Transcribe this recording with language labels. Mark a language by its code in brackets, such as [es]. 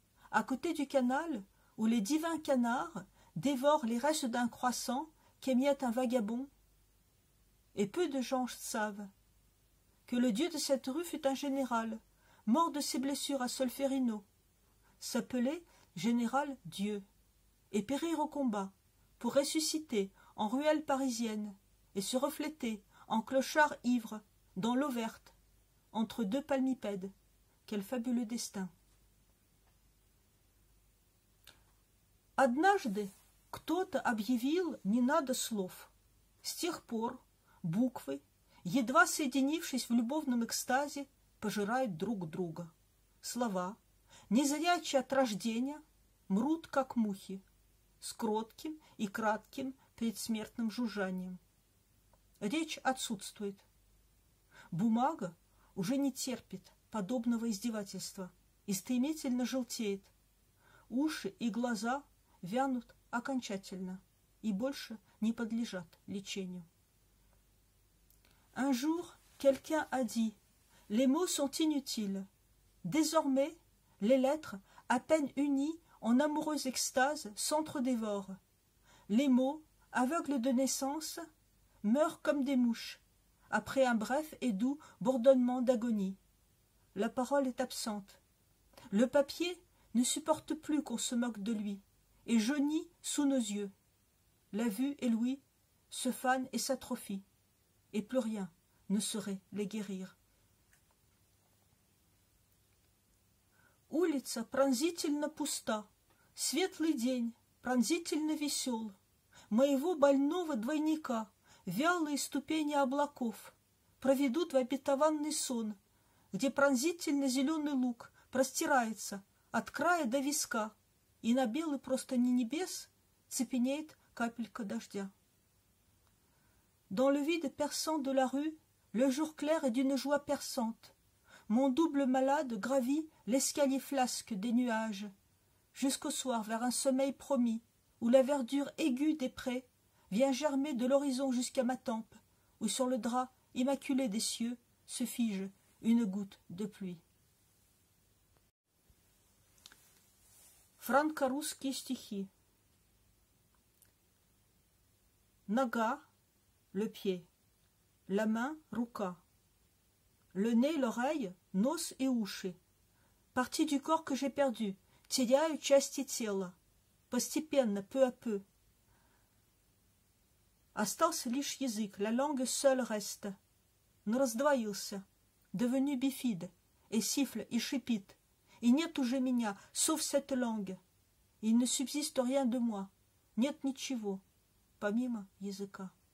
[fr] А côté du канал, où les divins canards dévorent les restes d'un croissant qu'émiette un vagabond, et peu de gens savent que le dieu de cette rue fut un général, mort de ses blessures à Solferino, s'appelait Général Dieu, et périr au combat, pour ressusciter en ruelle parisienne, et se refléter en clochard ivre dans l'eau verte, entre deux palmipèdes. Quel fabuleux destin! [ru] Однажды, кто-то объявил «не надо слов». С тех пор буквы, едва соединившись в любовном экстазе, пожирают друг друга. Слова, незрячие от рождения, мрут, как мухи, с кротким и кратким предсмертным жужжанием. Речь отсутствует. Бумага уже не терпит подобного издевательства и стремительно желтеет. Уши и глаза вянут окончательно и больше не подлежат лечению. [fr] Un jour, quelqu'un a dit: les mots sont inutiles. Désormais, les lettres, à peine unies en amoureuse extase, s'entre-dévorent. Les mots, aveugles de naissance, meurent comme des mouches après un bref et doux bourdonnement d'agonie. La parole est absente. Le papier ne supporte plus qu'on se moque de lui et jaunit sous nos yeux. La vue et l'ouïe se fanent et s'atrophient, et plus rien ne saurait les guérir. [ru] Улица пронзительно пуста, светлый день пронзительно весел, моего больного двойника вялые ступени облаков проведут в обетованный сон, где пронзительно зеленый луг простирается от края до виска, и на белый простыни небес цепенеет капелька дождя. [fr] Dans le vide perçant de la rue, le jour clair est d'une joie perçante. Mon double malade gravit l'escalier flasque des nuages, jusqu'au soir vers un sommeil promis, où la verdure aiguë des prés vient germer de l'horizon jusqu'à ma tempe, où sur le drap immaculé des cieux se fige une goutte de pluie. [ru] Франко-русские стихи. Нога, [fr] le pied. La main, [ru] рука. [fr] Le nez, l'oreille, [ru] нос и уши. [fr] Partie du corps que j'ai perdu, [ru] теряю части тела. Постепенно, [fr] peu à peu. [ru] Остался лишь язык, [fr] la langue seule reste. [ru] Но раздвоился, [fr] devenu bifide, et siffle, [ru] и шипит. И нет уже меня, [fr] sauf cette langue. Il ne subsiste rien de moi, [ru] нет ничего, помимо языка.